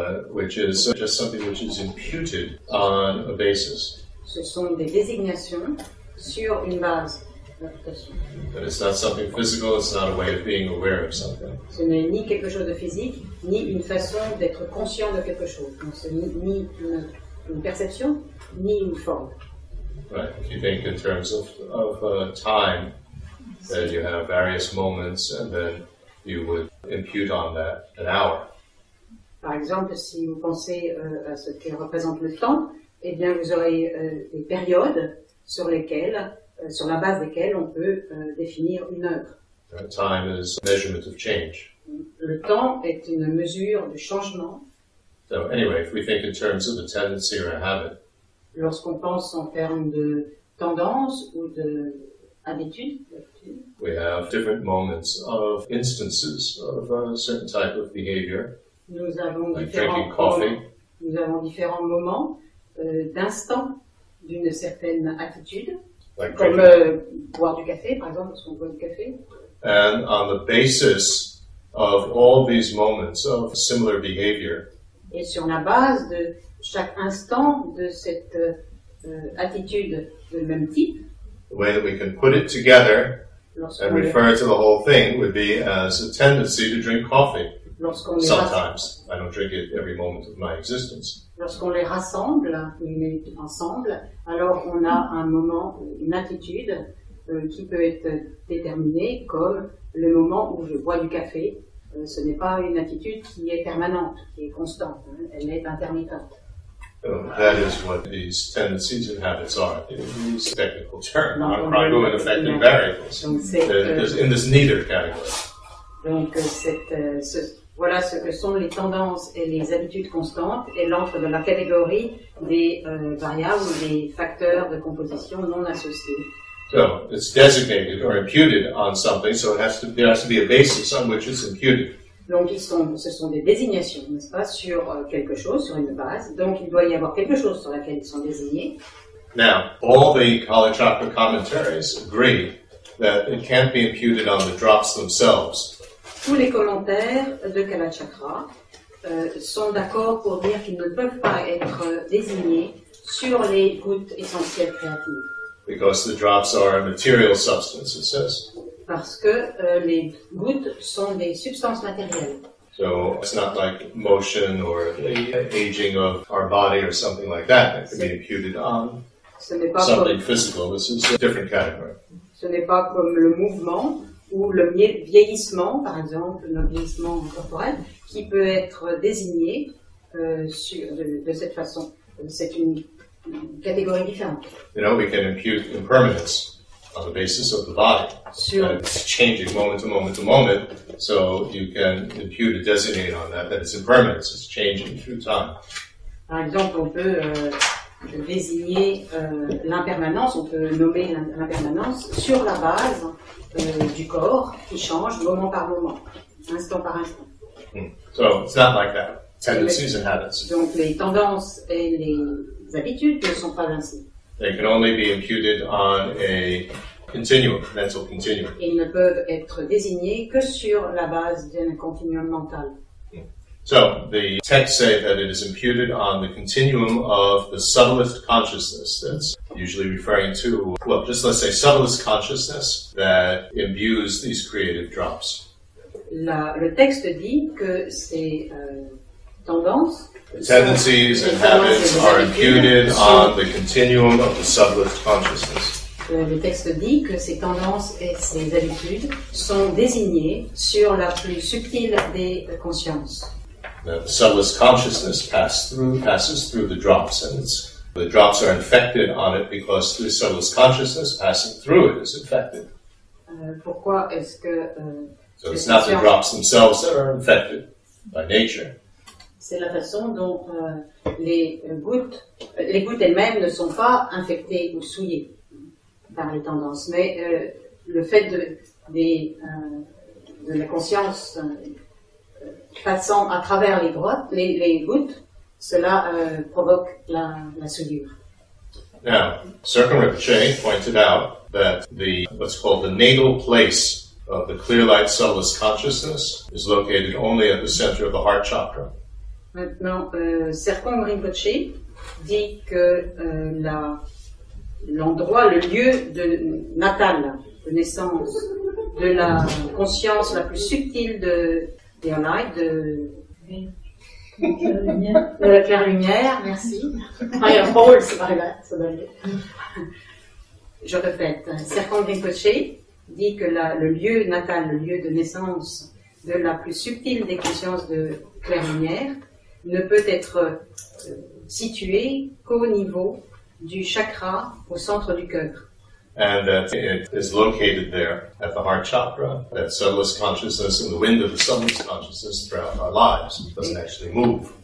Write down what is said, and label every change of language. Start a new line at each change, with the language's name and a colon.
English: Which is just something which is imputed on a basis.
French: Ce sont des désignations sur une base.
English: But it's not something physical, it's not a way of being aware of something.
French: Ce n'est ni quelque chose de physique, ni une façon d'être conscient de quelque chose. Donc ce n'est ni une perception, ni une forme.
English: Right, if you think in terms of time, that you have various moments and then you would impute on that an hour.
French: Par exemple, si vous pensez à ce qui représente le temps, eh bien vous aurez des périodes sur lesquelles, sur la base desquelles on peut définir une œuvre.
English: Time is a measurement of change.
French: Le temps est une mesure de changement.
English: So anyway, if we think in terms of a tendency or a habit.
French: Lorsqu'on pense en termes de tendance ou de habitude.
English: We have different moments of instances of a certain type of behavior.
French: Nous avons
English: like
French: différents
English: drinking coffee.
French: Nous avons différents moments d'instants d'une certaine attitude.
English: Like
French: comme
English: drinking.
French: Boire du café, par exemple, parce qu'on boit du café.
English: And on the basis of all these moments of similar behavior.
French: Et sur la base de chaque instant de cette attitude de même type.
English: The way that we can put it together. And refer to the whole thing would be as a tendency to drink coffee. Sometimes. I don't drink it every moment of my existence.
French: Lorsqu'on les rassemble, les met ensemble, alors on a un moment, une attitude qui peut être déterminée comme le moment où je bois du café. Ce n'est pas une attitude qui est permanente, qui est constante. Hein? Elle est intermittente.
English: That is what these tendencies and habits are. These technical terms are prago and affecting variables. In this neither category.
French: Donc, voilà ce que sont les tendances et les habitudes constantes et l'entre dans la catégorie des variables ou des facteurs de composition non associés. So it's designated or imputed on something, so it has to, there has to be a basis on which it's imputed. Donc, ce sont des désignations, n'est-ce pas, sur quelque chose, sur une base. Donc, il doit y avoir quelque chose sur laquelle ils sont désignés.
English: Now, all the Kalachakra commentaries agree that it can't be imputed on the drops themselves.
French: Tous les commentaires de Kalachakra sont d'accord pour dire qu'ils ne peuvent pas être désignés sur les gouttes essentielles créatives.
English: Because the drops are a material substance, it says.
French: Parce que les gouttes sont des substances matérielles.
English: So it's not like motion or the aging of our body or something like that that can be imputed on something physical. This is a different category.
French: Ce n'est pas comme le mouvement ou le vieillissement, par exemple, le vieillissement corporel, qui peut être désigné de cette façon. C'est une catégorie différente.
English: You know, we can impute impermanence. On the basis of the body. Sure. And it's changing moment to moment to moment, so you can impute a designate on that, that it's impermanence, it's changing through time.
French: Par exemple, on peut désigner l'impermanence, on peut nommer l'impermanence sur la base du corps qui change moment par moment, instant par instant.
English: So it's not like that. Tendencies and habits.
French: Donc les tendances et les habitudes ne sont pas ainsi.
English: They can only be imputed on a continuum, mental continuum.
French: Ils ne peuvent être désignés que sur la base d'un continuum mental.
English: So, the texts say that it is imputed on the continuum of the subtlest consciousness. That's usually referring to, well, just let's say subtlest consciousness that imbues these creative drops.
French: Le texte dit que ces tendances.
English: The tendencies and habits are imputed on the continuum of the subtlest consciousness.
French: Le texte dit que ces tendances et ces habitudes sont désignées sur la plus subtile des consciences.
English: The subtlest consciousness passes through the drops, and the drops are infected on it because the subtlest consciousness passing through it is infected.
French: Pourquoi est-ce que
English: so it's not the drops themselves that are infected by nature.
French: C'est la façon dont les gouttes elles-mêmes ne sont pas infectées ou souillées par les tendances. Mais le fait de la conscience passant à travers les grottes, les gouttes, cela provoque la souillure.
English: Now, Circumrinpoche pointed out that the what's called the natal place of the clear light soulless consciousness is located only at the center of the heart chakra.
French: Maintenant, Circumrinpoche dit que l'endroit, le lieu de natal, de naissance de la conscience la plus subtile de Clear Light, de la claire lumière, merci. Fireball, c'est pas là, ça va aller. Je répète, Circumrinpoche dit que le lieu natal, le lieu de naissance de la plus subtile des consciences de claire lumière, ne peut être situé qu'au niveau du chakra au centre du cœur.
English: And that it is located there at the heart chakra, that subtlest consciousness and the wind of the subtlest consciousness throughout our lives doesn't actually move.